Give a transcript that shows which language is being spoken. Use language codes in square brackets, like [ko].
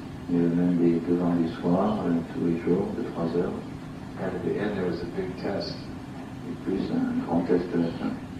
[fr] Il y avait même des devoirs du soir, tous les jours, de 3 heures. [en] And at the end, there was a big test. [fr] Et plus un grand test de la fin.